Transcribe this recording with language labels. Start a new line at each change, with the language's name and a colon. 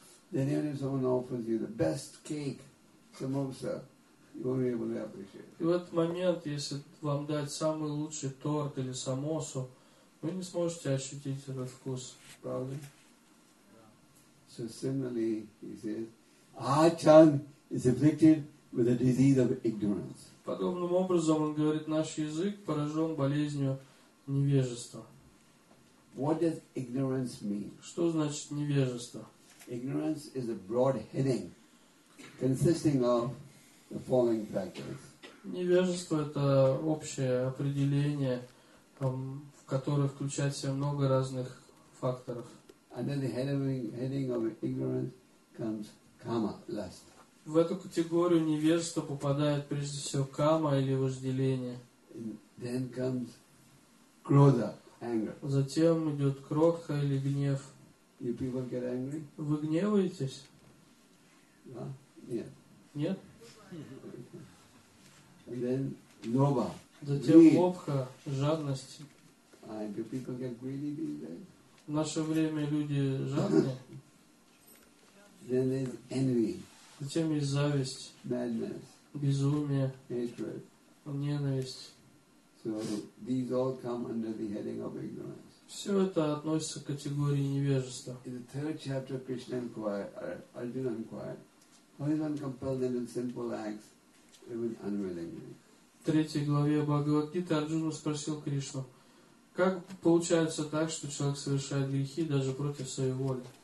English: Then even if someone offers you the best cake, samosa, you won't be able to appreciate it.
Russian: И в этот момент, если вам дать самый лучший торт или самосу, вы не сможете ощутить этот вкус. Правда?
English: So similarly, he says, our tongue is afflicted with a disease of ignorance.
Russian: Подобным образом, он говорит, наш язык поражен болезнью невежества.
English: What does ignorance mean?
Russian: Что значит невежество?
English: Ignorance is a broad heading consisting of the following factors.
Russian: Невежество – это общее определение, который включает в себя много разных факторов.
English: Under the heading of ignorance comes kama, lust.
Russian: В эту категорию невежества попадает прежде всего кама или вожделение.
English: And then comes krodha, anger.
Russian: Затем идет кротха или гнев.
English: You people get angry?
Russian: Вы гневаетесь?
English: No?
Russian: Нет. Нет?
English: And then lobha.
Russian: Затем лобха, жадность.
English: Do people get greedy these days?
Russian: В наше время люди жадные.
English: Then there's envy.
Russian: Затем есть зависть,
English: madness,
Russian: безумие,
English: hatred,
Russian: ненависть.
English: So these all come under the heading of ignorance.
Russian: Все это относится к категории невежества.
English: In the third chapter, Krishna inquired, Arjuna inquired, how is one compelled into simple acts even unwillingly?
Russian: В третьей главе Бхагавад-гиты Арджуна спросил Кришну, как получается так, что человек совершает грехи даже против своей воли?